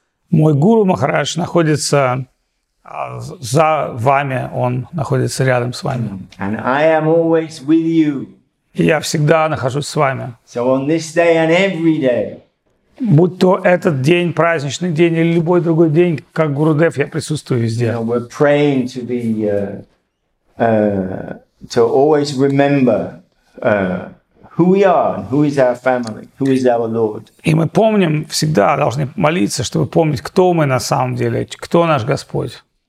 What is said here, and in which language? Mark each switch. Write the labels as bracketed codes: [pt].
[ru] Мой Гуру Махарадж находится за вами, он находится рядом с вами. [en] And I am always with you. [ru] И я всегда нахожусь с вами. [en] So on this day and every day. [ru] Будь то этот день, праздничный день или любой другой день, как Гурудев, я присутствую везде. [en] You know, we're praying to be, to always remember who we are, who is our family, who is our Lord. [ru] И мы помним всегда, должны молиться, чтобы помнить, кто мы на самом деле, кто наш Господь.